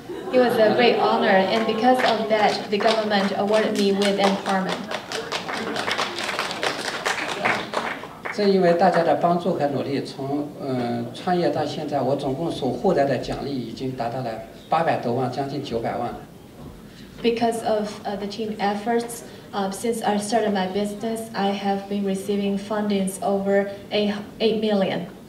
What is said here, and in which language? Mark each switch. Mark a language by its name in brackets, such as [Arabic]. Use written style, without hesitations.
[English] It was a great honor, and because of that, the government awarded me with an apartment. [Chinese] 正因为大家的帮助和努力，从创业到现在，我总共所获得的奖励已经达到了800多万，将近900万。 [English] Because of the team efforts, since I started my business, I have been receiving fundings over $8 million.